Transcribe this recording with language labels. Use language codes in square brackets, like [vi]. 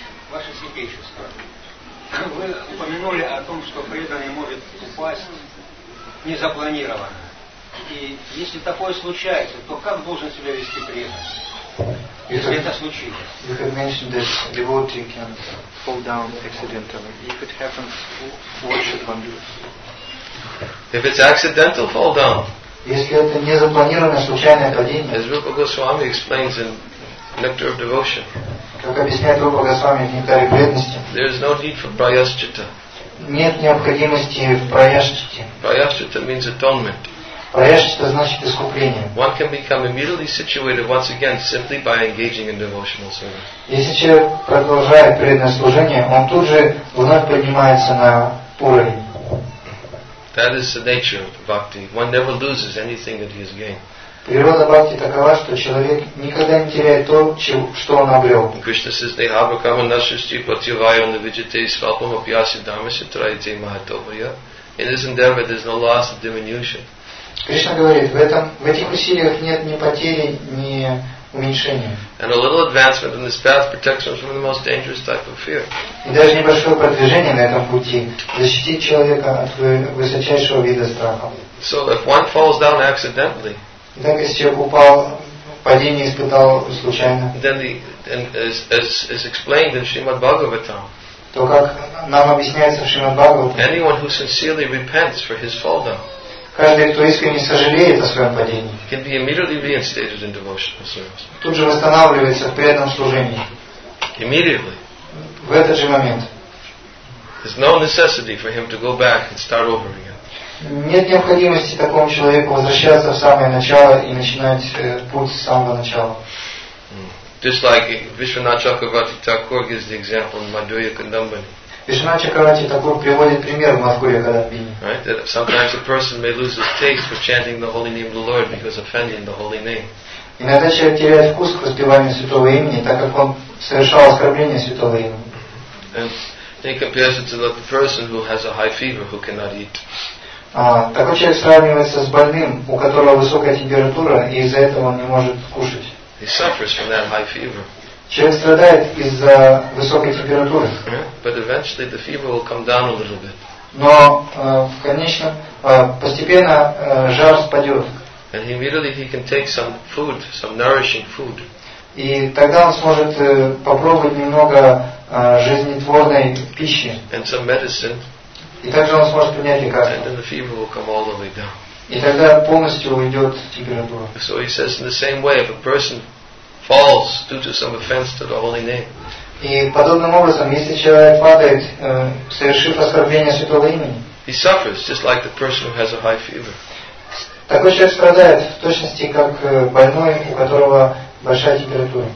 [ru] Ваше святейшество, вы упомянули о том, что преданный может упасть незапланированно. И если такое случается, то как должен себя вести преданный, если это случилось? [en] You have mentioned that devotee can fall down accidentally. If it happens, what should one do? If it's accidental fall down. [ru] Если это не запланированное случайное падение. [en] As Rupa Goswami explains in Nectar of Devotion. [ru] Как объясняет Рупа Госвами в Нектаре Преданности. [en] There is no need for prayaschita. [ru] Нет необходимости в prayaschite. [en] Prayaschita means atonement. [ru] Prayaschita значит искупление. [en] One can become immediately situated once again simply by engaging in devotional service. [ru] Если человек продолжает преданное служение, он тут же вновь поднимается на уровень. [en] That is the nature of bhakti. One never loses anything that he has gained. [ru] Природа бхакти такова, что человек никогда не теряет то, что он обрел. [en] Krishna says, [sa] "Dehava kama nashasti pativaya on the vijite svapam apyasi dharmasya traite mahatovaya." [en] In this endeavor, there is no loss of diminution. [ru] Krishna говорит, в этих усилиях нет ни потери, ни уменьшения. [en] And a little advancement in this path protects us from the most dangerous type of fear. [ru] И даже небольшое продвижение на этом пути защитит человека от высочайшего вида страха. [en] So if one falls down accidentally, [ru] так если человек упал, падение испытал случайно, [en] then as explained in Srimad Bhagavatam, [ru] то как нам объясняется в Шримад Бхагаватам, [en] anyone who sincerely repents for his fall down. [ru] Каждый, кто искренне сожалеет о своем падении, [en] can be immediately reinstated in devotional service. [ru] Тут же восстанавливается в преданном служении. [en] Immediately. [ru] В этот же момент. [en] There's no necessity for him to go back and start over again. [ru] Нет необходимости такому человеку возвращаться в самое начало и начинать путь с самого начала. [en] Just like Vishwanath Chakravarti Thakur gives the example in Madhurya Kadambini. [ru] Вишванат Чакравати Такур приводит пример в Мадхурья Кадамбини. [en] Right, that sometimes a person may lose his taste for chanting the holy name of the Lord because offending the holy name. [ru] Иногда человек теряет вкус к воспеванию святого имени, так как он совершал оскорбление святого имени. [en] And he compares it to the person who has a high fever who cannot eat. [ru] Такой человек сравнивается с больным, у которого высокая температура и из-за этого он не может кушать. [en] He suffers from that high fever. [ru] Человек страдает из-за высокой температуры. [en] But eventually the fever will come down a little bit. [ru] Но в конечном постепенно жар спадет. [en] And immediately he can take some food, some nourishing food. [ru] И тогда он сможет попробовать немного жизнетворной пищи. [en] And some medicine. [ru] И также он сможет принять лекарство. [en] And then the fever will come all the way down. [ru] И тогда полностью уйдет температура. [en] So he says in the same way, if a person falls due to some offense to the Holy Name. [ru] И подобным образом, если человек падает, совершив оскорбление святого имени. [en] He suffers just like the person who has a high fever. [ru] Такой человек страдает в точности как больной, у которого большая температура.